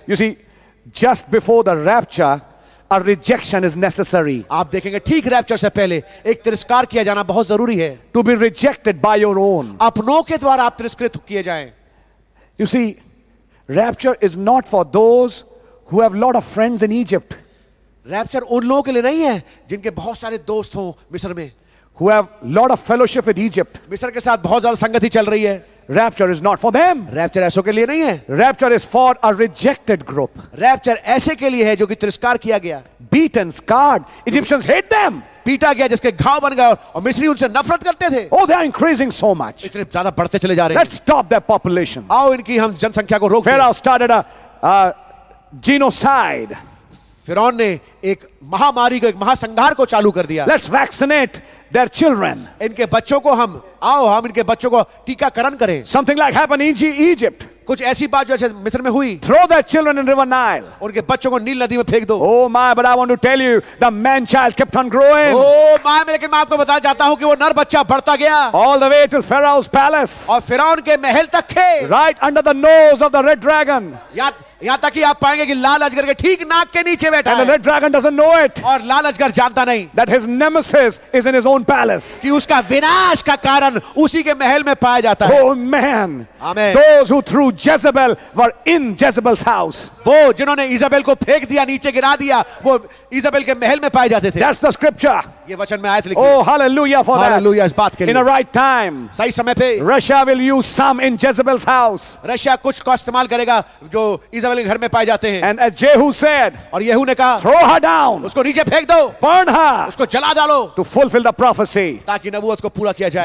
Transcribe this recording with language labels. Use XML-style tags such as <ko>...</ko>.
<en>You see, just before the rapture, A rejection is necessary.</en> <hi>आप देखेंगे ठीक rapture से पहले एक तिरस्कार किया जाना बहुत जरूरी है.</hi> <en>To be rejected by your own.</en> <hi>अपनों के द्वारा आप तिरस्कृत किए जाएं.</hi> <en>You see, rapture is not for those who have lot of friends in Egypt.</en> <hi>Rapture उन लोगों के लिए नहीं है जिनके बहुत सारे दोस्त हों मिस्र में.</hi> <en>Who have lot of fellowship with Egypt.</en> <hi>मिस्र के साथ बहुत ज्यादा संगति चल रही है.</hi> <en>Rapture is not for them.</en> <hi>Rapture ऐसों के लिए नहीं है.</hi> <en>Rapture is for a rejected group.</en> <hi>Rapture ऐसे के लिए है जो कि तिरस्कार किया गया.</hi> <en>Beaten, scarred. Egyptians hate them.</en> <hi>पीटा गया जिसके घाव बन गए और मिस्री उनसे नफरत करते थे.</hi> <en>Oh, they are increasing so much.</en> <hi>इतने ज़्यादा बढ़ते चले जा रहे हैं.</hi> <en>Let's stop their population.</en> <hi>आओ इनकी हम जनसंख्या को रोक दें.</hi> <en>Pharaoh started a genocide.</en> <hi>फिरौन ने एक महामारी को एक महासंहार को चालू कर दिया.</hi> <en>Let's vaccinate their children.</en> <hi>इनके बच्चों को हम आओ हम इनके बच्चों को टीकाकरण करें.</hi> <en>Something like happened in Egypt.</en> <hi>कुछ ऐसी बात जो मिस्र में हुई.</hi> <en>Throw their children in river Nile.</en> <hi>उनके बच्चों को नील नदी में फेंक दो.</hi> <en>Oh my, but I want to tell you, the man child kept on growing. Oh my,</en> <hi>लेकिन मैं आपको बताना चाहता हूँ कि वो नर बच्चा बढ़ता गया.</hi> <en>All the way to Pharaoh's palace.</en> <hi>और फिरौन के महल तक के.</hi> <en>Right under the nose of the red dragon.</en> <hi>यहाँ तक कि आप पाएंगे कि लाल अजगर के ठीक नाक के नीचे बैठा है.</hi> <en>And the red dragon doesn't know it.</en> <hi>और लाल अजगर जानता नहीं.</hi> <en>That his nemesis is in his own palace.</en> <hi>कि उसका विनाश का कारण उसी के महल में पाया जाता है.</hi> <en>Oh man. Amen. Those who threw Jezebel were in Jezebel's house.</en> <hi>वो जिन्होंने इजाबेल को फेंक दिया नीचे गिरा दिया वो इजाबेल के महल में पाए जाते थे.</hi> <en>That's the scripture.</en> <hi>ये वचन में आयत लिखी.</hi> <en>Oh hallelujah for hallelujah that.</en> <hi>इस बात के लिए.</hi> <en>In a right time.</en> <hi>सही समय पे.</hi> <en>Russia will use some in Jezebel's house.</en> <hi>Russia कुछ का इस्तेमाल करेगा जो इजाबेल के घर में पाए जाते हैं.</hi> <en>And as Jehu said.</en> <hi>और येहू ने कहा.</hi> <en>Throw her down.</en> <hi>उसको नीचे फेंक दो.</hi> <en>Burn her.</en> <hi>उसको जला डालो.</hi> <en>To fulfill the prophecy.</en> <hi>ताकि नबूवत को पूरा किया जाए.</hi>